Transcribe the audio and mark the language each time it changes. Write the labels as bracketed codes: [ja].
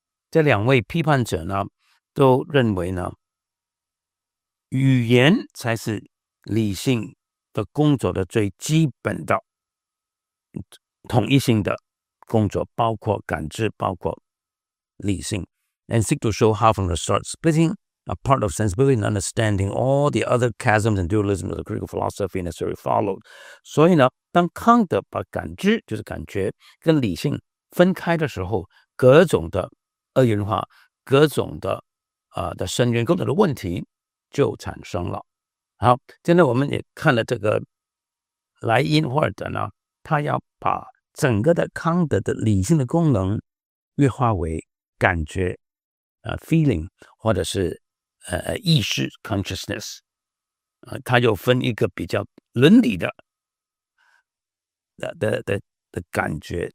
[zh] 这两位批判者呢，都认为呢，语言才是理性的工作的最基本的统一性的工作，包括感知，包括理性。 [en] And seek to show how from the start splitting a part of sensibility and understanding all the other chasms and dualisms of the critical philosophy necessarily followed. [zh] 所以呢，当康德把感知，就是感觉，跟理性分开的时候，各种的二元化，各种的的深渊，各种的问题就产生了。好，现在我们也看了这个莱因霍尔德呢，他要把整个的康德的理性的功能约化为感觉feeling， 或者是意识 consciousness， 它又分一个比较伦理的感觉。